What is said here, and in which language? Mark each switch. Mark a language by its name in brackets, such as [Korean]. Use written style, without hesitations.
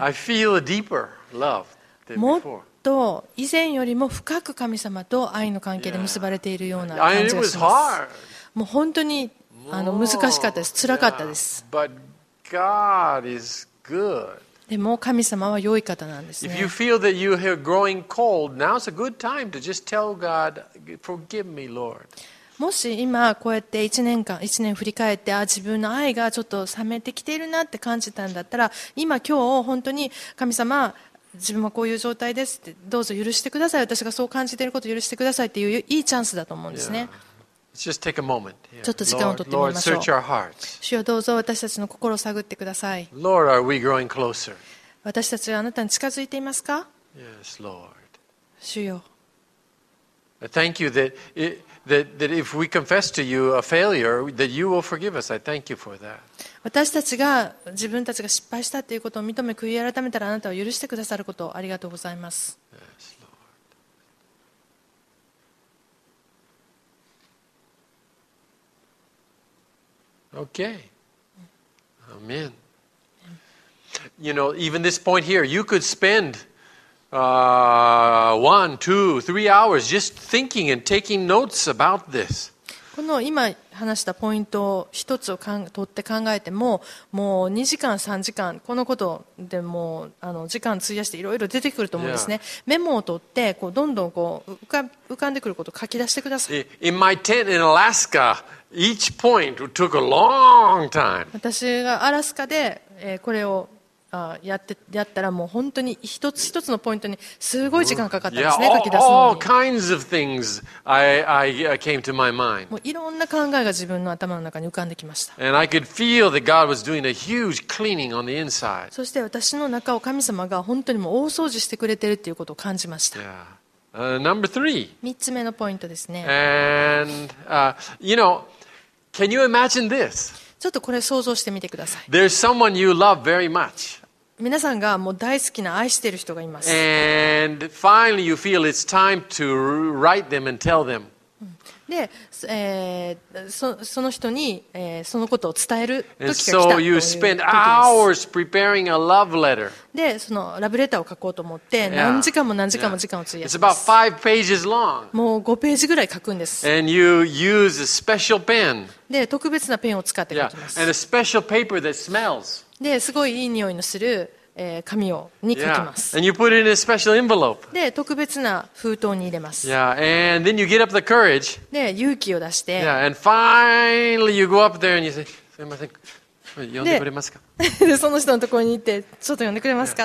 [English] I feel a deeper love than before. [Japanese] もっと以前よりも深く神様と愛の関係で結ばれているような感じがします。 [English] Yeah. And it was hard. [Japanese] もう本当に難しかったです。辛かったです。 [English] Yeah. But God is good. [Japanese] でも神様は良い方なんですね。 [English] If you feel that you are growing cold, now's a good time to just tell God, "Forgive me, Lord." [Japanese] もし今こうやって1年振り返って、あ、自分の愛がちょっと冷めてきているなって感じたんだったら、今日本当に神様、自分はこういう状態ですって、どうぞ許してください、私がそう感じていることを許してくださいっていういいチャンスだと思うんですね。 [English] Yeah. Just take a moment. Yeah. [Japanese] ちょっと時間を取ってみましょう。 [English] Lord, search our hearts. [Japanese] 主よ、どうぞ私たちの心を探ってください。 [English] Lord, are we growing closer? [Japanese] 私たちはあなたに近づいていますか？ [English] Yes, Lord. [Japanese] 主よ。 [English] Thank you that that if we confess to you a failure, that you will forgive us. I thank you for that. [Japanese] 私たちが自分たちが失敗したということを認め悔い改めたら、あなたは許してくださることをありがとうございます。 [English] Yes, Lord. Okay. Amen. You know, even this point here, you could spend one, two, 3 hours just thinking and taking notes about this. [Japanese] この今話したポイントを一つを取って考えても、もう2時間、3時間、このことでもう時間費やしていろいろ出てくると思うんですね。メモを取って、こうどんどんこう浮かんでくることを書き出してください。 [English] In my tent in Alaska, each point took a long time. [Japanese] 私がアラスカでこれをやったらもう本当に一つ一つのポイントにすごい時間かかったんですね、書き出すのに。 [English] All kinds of things I came to my mind. [Japanese] もういろんな考えが自分の頭の中に浮かんできました。 [English] And I could feel that God was doing a huge cleaning on the inside. [Japanese] そして私の中を神様が本当にもう大掃除してくれてるっていうことを感じました。 [English] Number three. [Japanese] 三つ目のポイントですね。 [English] And, you know, can you imagine this? [Japanese] ちょっとこれ想像してみてください。 [English] There's someone you love very much. [Japanese] 皆さんがもう大好きな愛してる人がいます。 [English] And finally you feel it's time to write them and tell them. [Japanese] で、その人に、そのことを伝える時が来た。 [English] And so you spend hours preparing a love letter. [Japanese] で、そのラブレターを書こうと思って、何時間も何時間も時間を費やします。 [English] It's about 5 pages long. [Japanese] もう5ページぐらい書くんです。 [English] And you use a special pen. [Japanese] で特別なペンを使って書きます。 [English] Yeah. And a special paper that smells. [Japanese] ですごいいい匂いのする、紙をに書きます。 [English] Yeah. And you put it in a special envelope. [Japanese] で特別な封筒に入れます。 [English] Yeah. And then you get up the courage. [Japanese] で勇気を出して。 [English] Yeah. And finally you go up there and you say, [Japanese] すみません、読んでくれますか。でその人のところに行ってちょっと読んでくれますか。